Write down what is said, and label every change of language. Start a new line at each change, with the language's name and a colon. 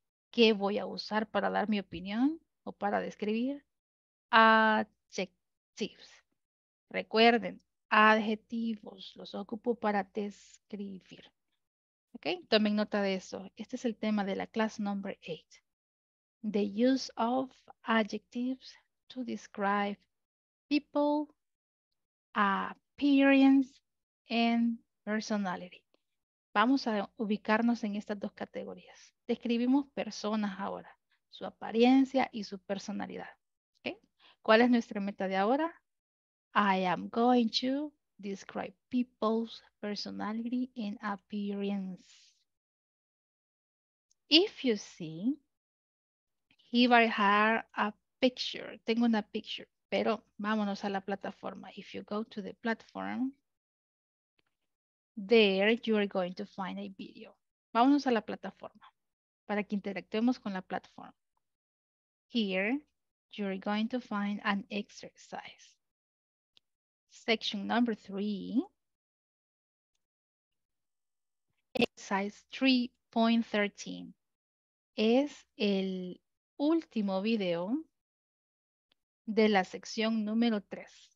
Spanish: ¿Qué voy a usar para dar mi opinión o para describir? Adjectives. Recuerden, adjetivos los ocupo para describir. ¿Ok? Tomen nota de eso. Este es el tema de la clase number 8.
English: The use of adjectives to describe people, appearance, and personality.
Spanish: Vamos a ubicarnos en estas dos categorías. Describimos personas ahora, su apariencia y su personalidad. ¿Okay? ¿Cuál es nuestra meta de ahora?
English: I am going to describe people's personality and appearance. If you see, here I have a picture.
Spanish: Tengo una picture, pero vámonos a la plataforma.
English: If you go to the platform, there you are going to find a video.
Spanish: Vámonos a la plataforma para que interactuemos con la plataforma.
English: Here you are going to find an exercise. Section number 3, exercise 3.13,
Spanish: es el último video de la sección número 3.